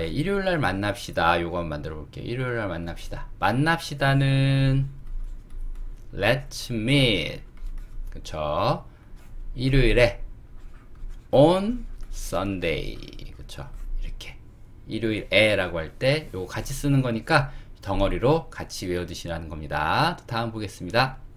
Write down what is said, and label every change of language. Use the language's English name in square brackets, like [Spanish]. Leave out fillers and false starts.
[Korean] 예, 일요일날 만납시다. 요거 한번 만들어 볼게요. 일요일날 만납시다. 만납시다는 [English] Let's meet. [Korean] 그쵸? 일요일에 [English] On Sunday. [Korean] 그쵸? 일요일에라고 할때 요거 같이 쓰는 거니까 덩어리로 같이 외워두시라는 겁니다. 다음 보겠습니다.